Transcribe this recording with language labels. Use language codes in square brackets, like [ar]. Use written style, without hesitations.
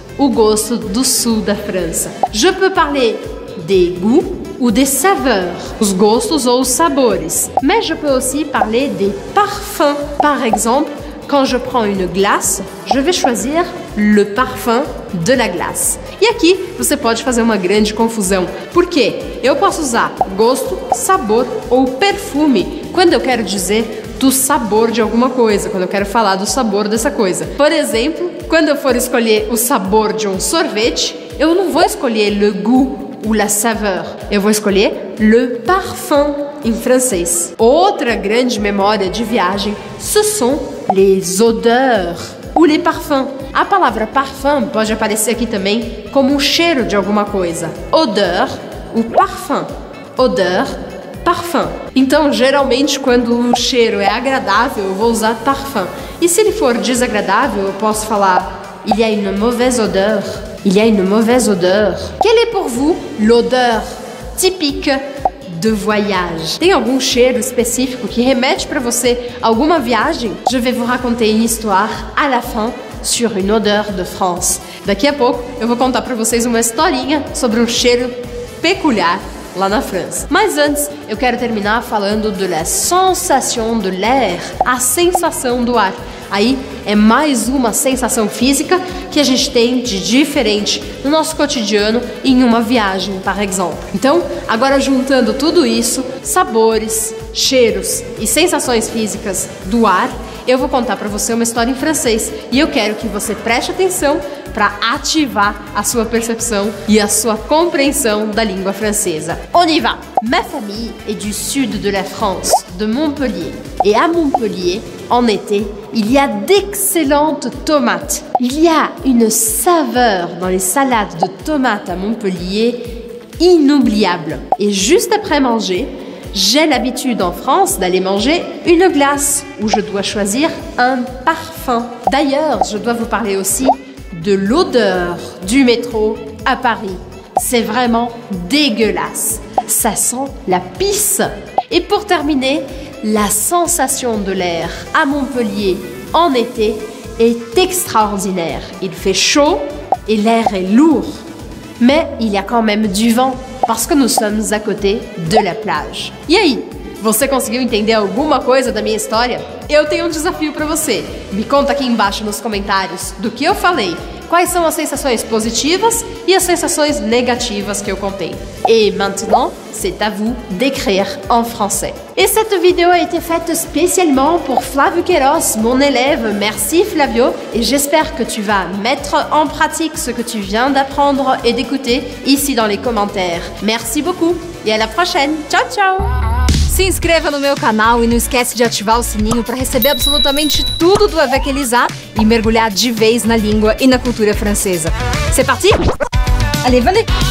[pt] O gosto do sul da França. [fr] Je peux parler des goûts ou des saveurs. [pt] Os gostos ou os sabores. [fr] Mais je peux aussi parler des parfums. Par exemple, quand je prends une glace, je vais choisir le parfum de la glace. [pt] E aqui você pode fazer uma grande confusão. Por quê? Eu posso usar gosto, sabor ou perfume quando eu quero dizer do sabor de alguma coisa, quando eu quero falar do sabor dessa coisa. Por exemplo, quando eu for escolher o sabor de um sorvete, eu não vou escolher [fr] le goût ou la saveur. [pt] Eu vou escolher le parfum em francês. Outra grande memória de viagem, [fr] ce sont les odeurs ou les parfums. [pt] A palavra parfum pode aparecer aqui também como um cheiro de alguma coisa. [fr] Odeur ou parfum. Odeur, parfum. [pt] Então, geralmente, quando um cheiro é agradável, eu vou usar parfum. E se ele for desagradável, eu posso falar [fr] il y a une mauvaise odeur. Il y a une mauvaise odeur. Quelle est pour vous l'odeur typique de voyage? [pt] Tem algum cheiro específico que remete para você a alguma viagem? [fr] Je vais vous raconter une histoire à la fin sur une odeur de France. [pt] Daqui a pouco, eu vou contar para vocês uma historinha sobre um cheiro peculiar lá na França. Mas antes, eu quero terminar falando de [fr] la sensation de l'air, [pt] a sensação do ar. Aí é mais uma sensação física que a gente tem de diferente no nosso cotidiano em uma viagem, por exemplo. Então, agora juntando tudo isso, sabores, cheiros e sensações físicas do ar, eu vou contar para você uma história em francês e eu quero que você preste atenção para ativar a sua percepção e a sua compreensão da língua francesa. [fr] On y va! Ma famille est du sud de la France, de Montpellier. Et à Montpellier, en été, il y a d'excellentes tomates. Il y a une saveur dans les salades de tomates à Montpellier inoubliable. Et juste après manger, j'ai l'habitude en France d'aller manger une glace où je dois choisir un parfum. D'ailleurs, je dois vous parler aussi de l'odeur du métro à Paris. C'est vraiment dégueulasse. Ça sent la pisse. Et pour terminer, la sensation de l'air à Montpellier en été est extraordinaire. Il fait chaud et l'air est lourd. Mais il y a quand même du vent parce que nous sommes à côté de la plage. [pt] E aí, você conseguiu entender alguma coisa da minha história? Eu tenho um desafio para você. Me conta aqui embaixo nos comentários do que eu falei. Quais são as sensações positivas e as sensações negativas que eu contei? [fr] Et maintenant, c'est à vous d'écrire en français. Et cette vidéo a été faite spécialement pour Flavio Queiroz, mon élève. Merci Flavio. Et j'espère que tu vas mettre en pratique ce que tu viens d'apprendre et d'écouter ici dans les commentaires. Merci beaucoup et à la prochaine. [it] Ciao, ciao! [pt] Se inscreva no meu canal e não esquece de ativar o sininho para receber absolutamente tudo do Avec Elisa e mergulhar de vez na língua e na cultura francesa. [fr] C'est parti? Allez, venez!